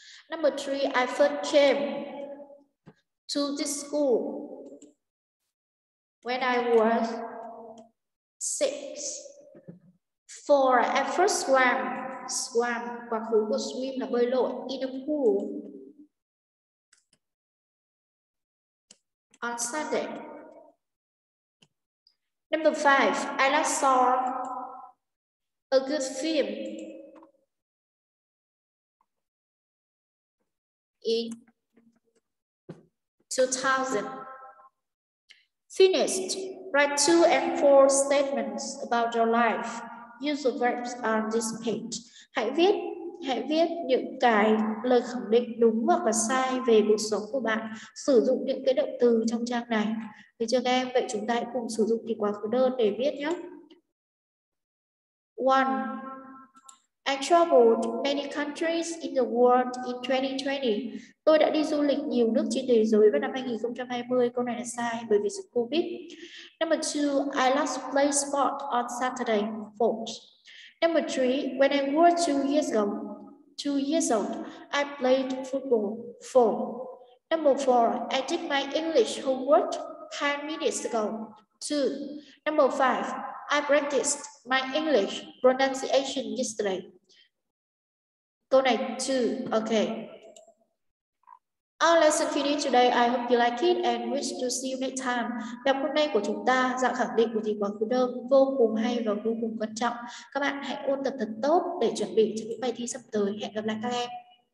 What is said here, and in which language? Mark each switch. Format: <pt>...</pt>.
<en>Number three, I first came to this school when I was 6. Four, I first swam,</en> <vi>quá khứ của swim là bơi lội,</vi> <en>in a pool on Sunday. Number five, I last saw a good film in 2000. Finished. Write two and four statements about your life. Use the verbs on this page.</en> <vi>Hãy viết những cái lời khẳng định đúng hoặc là sai về cuộc sống của bạn. Sử dụng những cái động từ trong trang này. Được chưa em? Vậy chúng ta hãy cùng sử dụng thì quá khứ đơn để viết nhé.</vi> <en>One, I traveled many countries in the world in 2020.</en> <vi>Tôi đã đi du lịch nhiều nước trên thế giới vào năm 2020. Câu này là sai bởi vì dịch Covid.</vi> <en>Number two, I last played sport on Saturday. False. Number three, when I was two years old, I played football. False. Number four, I did my English homework 10 minutes ago. True. Number five, I practiced my English pronunciation yesterday.</en> <vi>Câu này</vi> <en>2, okay. Our lesson finished today. I hope you like it and wish to see you next time.</en> <vi>Bài hôm nay của chúng ta dạng khẳng định của thì quá khứ đơn vô cùng hay và vô cùng quan trọng. Các bạn hãy ôn tập thật tốt để chuẩn bị cho những bài thi sắp tới. Hẹn gặp lại các em.</vi>